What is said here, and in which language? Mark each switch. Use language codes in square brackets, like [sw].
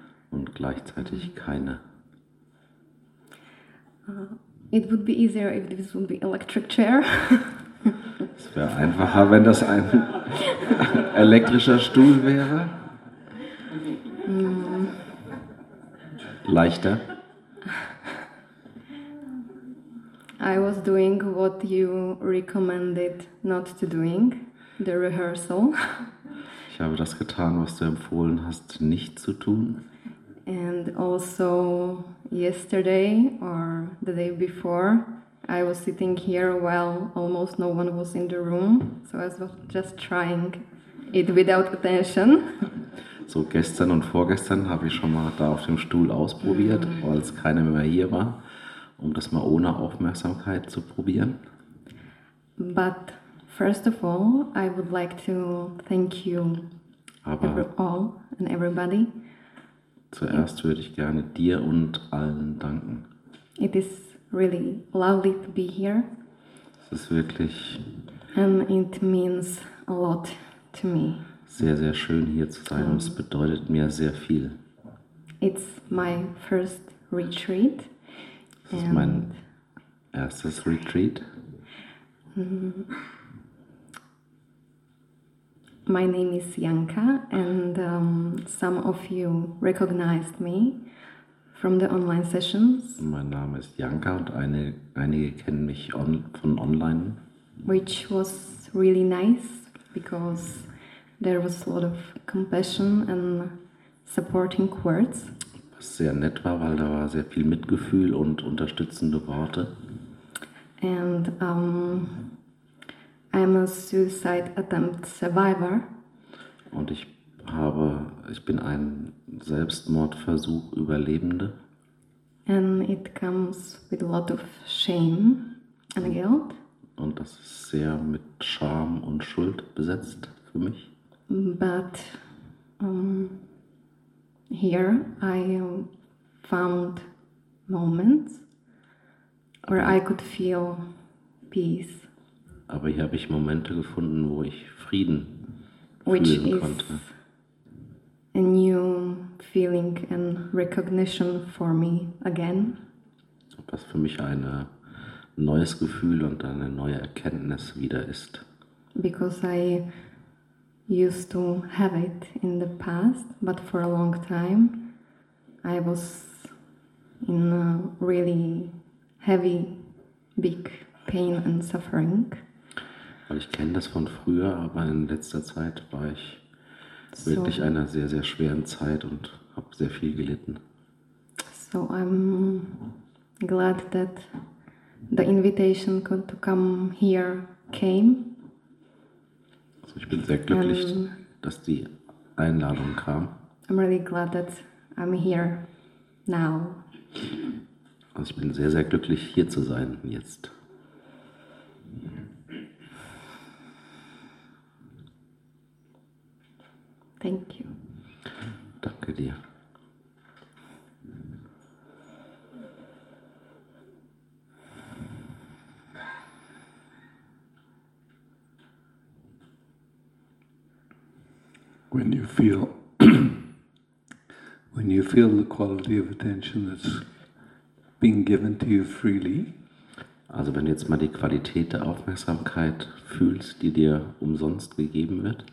[de] Und gleichzeitig keine. [en] It would be easier if this would be electric chair. [de] Es wäre einfacher, wenn das ein elektrischer Stuhl wäre. Leichter. [en] I was doing what you recommended not to doing, the rehearsal. [de] Ich habe das getan, was du empfohlen hast, nicht zu tun. [en] And also yesterday or the day before, I was sitting here while almost no one was in the room, so I was just trying it without attention. [de] So gestern und vorgestern habe ich schon mal da auf dem Stuhl ausprobiert, als keiner mehr hier war, um das mal ohne Aufmerksamkeit zu probieren. [en] But first of all, I would like to thank you all and everybody. [de] Zuerst würde ich gerne dir und allen danken. [en] It is really lovely to be here. [de] Es ist wirklich [en] and it means a lot to me. [de] Sehr, sehr schön hier zu sein. Es bedeutet mir sehr viel. [en] It's my first retreat. [de] Es ist mein erstes Retreat. [en] My name is Janka and some of you recognized me from the online sessions. [de] Mein Name ist Janka und einige kennen mich von online. [en] Which was really nice because there was a lot of compassion and supporting words. [de] Was sehr nett war, weil da war sehr viel Mitgefühl und unterstützende Worte. [en] And I'm a suicide attempt survivor. [de] Und ich bin ein Selbstmordversuch Überlebende. [en] And it comes with a lot of shame and guilt. [de] Und das ist sehr mit Scham und Schuld besetzt für mich. [en] But here I found moments where I could feel peace. [de] Aber hier habe ich Momente gefunden, wo ich Frieden fühlen konnte. [en] A new feeling and recognition for me again. [de] Was für mich ein neues Gefühl und eine neue Erkenntnis wieder ist. [en] Because I used to have it in the past, but for a long time I was in a really heavy, big pain and suffering. [de] Weil ich kenne das von früher, aber in letzter Zeit war ich wirklich einer sehr, sehr schweren Zeit und habe sehr viel gelitten. [en] So I'm glad that the invitation to come here came. [de] So ich bin sehr glücklich, dass die Einladung kam. [en] I'm really glad that I'm here now. [de] Also ich bin sehr, sehr glücklich, hier zu sein jetzt. [en] Thank you. [de] Danke dir. [en] When you feel the quality of attention that's being given to you freely. [de] Also wenn du jetzt mal die Qualität der Aufmerksamkeit fühlst, die dir umsonst gegeben wird.